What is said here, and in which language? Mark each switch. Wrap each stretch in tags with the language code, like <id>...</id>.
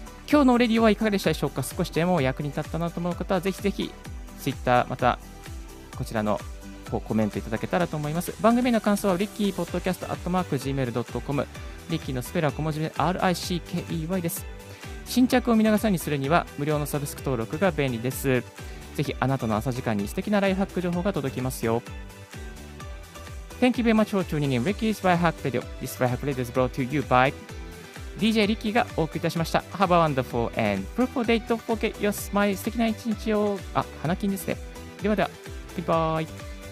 <ja>今日のレディオはいかがでしたでしょうか。少しでも役に立ったなと思う方はぜひぜひ Twitter、 またこちらのコメントいただけたらと思います。番組の感想はリッキーポッドキャスト @gmail.com、 リッキーのスペルは小文字で RICKEY です。新着を見逃さないにするには無料のサブスク登録が便利です。ぜひあなたの朝時間に素敵なライフハック情報が届きますよ。</ja> <en>Thank you very much for tuning in Ricky's Lifehack Radio. This Lifehack Radio is brought to you by DJ</en> <ja>リッキーがお送りいたしました。</ja> <en>Have a wonderful and beautiful day. Don't forget your smile.</en> <ja>素敵な一日を。あ、花金ですね。ではでは、バイバイ。</ja>